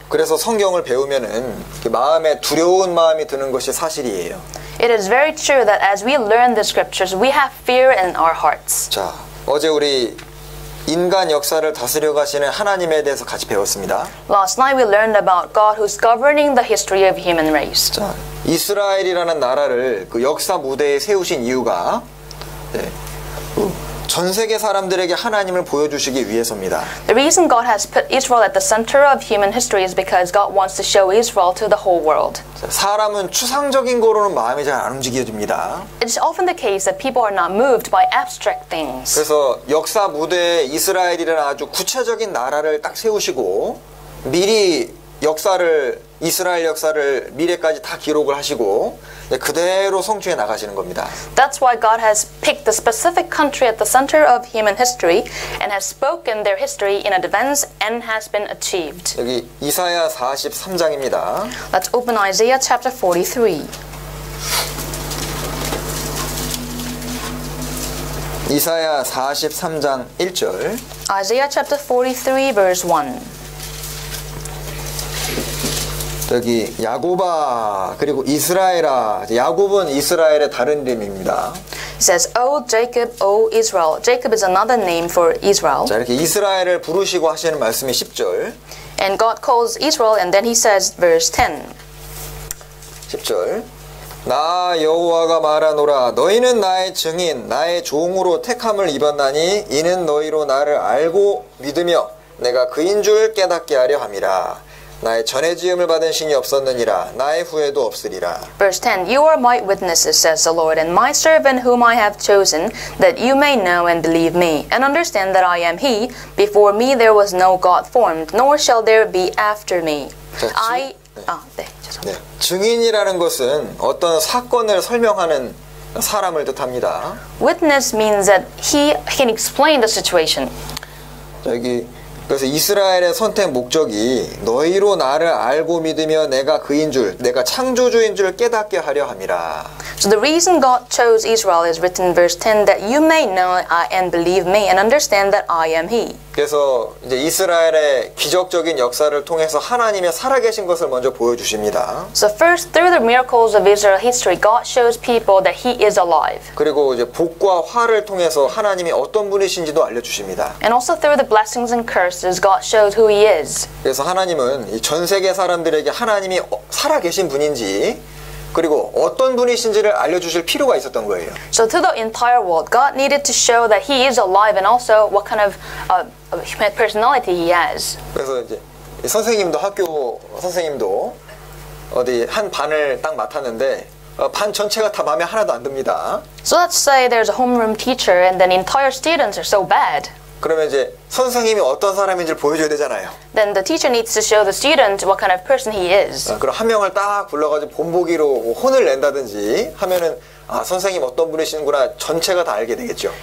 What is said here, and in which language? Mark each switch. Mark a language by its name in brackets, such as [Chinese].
[Korean] 그래서 성경을 배우면은 마음에 두려운 마음이 드는 것이 사실이에요. [English] It is very true that as we learn the scriptures we have fear in our hearts. [Korean] 자, 어제 우리 인간 역사를 다스려 가시는 하나님에 대해서 같이 배웠습니다. [English] Last night we learned about God who's governing the history of human race. [Korean] 자, 이스라엘이라는 나라를 그 역사 무대에 세우신 이유가 네. 전 세계 사람들에게 하나님을 보여주시기 위해서입니다. [English] The reason God has put Israel at the center of human history is because God wants to show Israel to the whole world. [Korean] 사람은 추상적인 거로는 마음이 잘 안 움직여집니다. [English] It's often the case that people are not moved by abstract things. [Korean] 그래서 역사 무대에 이스라엘이라는 아주 구체적인 나라를 딱 세우시고 미리 역사를 이스라엘 역사를 미래까지 다 기록을 하시고 네, 그대로 성취해 나가시는 겁니다. [English] That's why God has picked the specific country at the center of human history and has spoken their history in advance and has been achieved. [Korean] 여기 이사야 43장입니다. [English] Let's open Isaiah chapter 43. [Korean] 이사야 43장 1절. [English] Isaiah chapter 43 verse 1. [Korean] 여기 야곱아 그리고 이스라엘아. 야곱은 이스라엘의 다른 이름입니다. [English] It says, O Jacob, O Israel. Jacob is another name for Israel. [Korean] 자, 이렇게 이스라엘을 부르시고 하시는 말씀이 10절. [English] And God calls Israel and then he says verse 10. [Korean] 10절. 나 여호와가 말하노라 너희는 나의 증인 나의 종으로 택함을 입었나니 이는 너희로 나를 알고 믿으며 내가 그인 줄 깨닫게 하려 함이라 나의 전에 지음을 받은 신이 없었느니라 나의 후에도 없으리라 [English] Verse 10 You are my witnesses says the Lord and my servant whom I have chosen that you may know and believe me and understand that I am he before me there was no God formed nor shall there be after me [Korean] 됐지? 네, 증인이라는 것은 어떤 사건을 설명하는 사람을 뜻합니다. [English] Witness means that he can explain the situation. [Korean] 자, 여기 그래서 이스라엘의 선택 목적이 너희로 나를 알고 믿으며 내가 그인 줄, 내가 창조주인 줄 깨닫게 하려 함이라. [English] So the reason God chose Israel is written in verse 10 that you may know and believe me and understand that I am he. [Korean] 그래서 이제 이스라엘의 기적적인 역사를 통해서 하나님의 살아계신 것을 먼저 보여주십니다. [English] So first, through the miracles of Israel history, God shows people that He is alive. [Korean] 그리고 이제 복과 화를 통해서 하나님이 어떤 분이신지도 알려주십니다. [English] And also through the blessings and curses, God shows who He is. [Korean] 그래서 하나님은 이 전 세계 사람들에게 하나님이 살아계신 분인지 그리고 어떤 분이신지를 알려주실 필요가 있었던 거예요. [English] So to the entire world, God needed to show that He is alive and also what kind of personality He has. [Korean] 그래서 이제 선생님도 학교 선생님도 어디 한 반을 딱 맡았는데 반 전체가 다 마음에 하나도 안 듭니다. [English] So let's say there's a homeroom teacher and then entire students are so bad. [Korean] 그러면 이제 선생님이 어떤 사람인지를 보여줘야 되잖아요. [English] Then the teacher needs to show the student what kind of person he is. [Korean] 아, 그럼 한 명을 딱 불러가지고 본보기로 뭐 혼을 낸다든지 하면은 아 선생님 어떤 분이신구나 전체가 다 알게 되겠죠.